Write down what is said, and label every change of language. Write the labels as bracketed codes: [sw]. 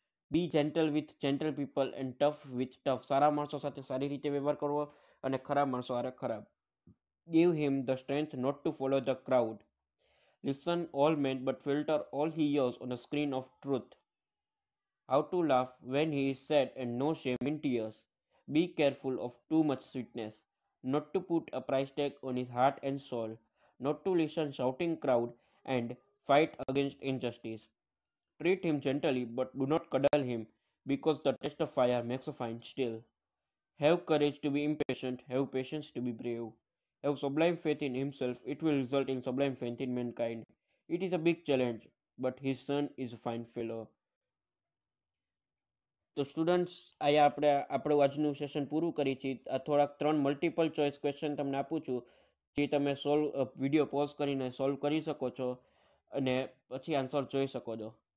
[en] Be gentle with gentle people and tough with tough. [gu] સારા માણસો સાથે સારી રીતે વ્યવહાર કરવો અને ખરાબ માણસો સાથે ખરાબ. [en] Give him the strength not to follow the crowd. Listen all men but filter all he hears on a screen of truth. How to laugh when he is sad and no shame in tears. Be careful of too much sweetness. Not to put a price tag on his heart and soul. Not to listen shouting crowd and fight against injustice. Treat him gently but do not cuddle him, because the taste of fire makes a fine steel. Have courage to be impatient. Have patience to be brave. Have sublime faith in himself. It will result in sublime faith in mankind. It is a big challenge, but his son is a fine fellow. [gu] તો students, અહીંયા આપણે આપણું આજનું session પૂરું કરી છીએ. આ થોડાક 3 મલ્ટીપલ ચોઈસ ક્વેશ્ચન તમને આપું છું, જે તમે સોલ્વ વિડીયો પોઝ કરીને સોલ્વ કરી શકો છો અને પછી આન્સર જોઈ શકો છો.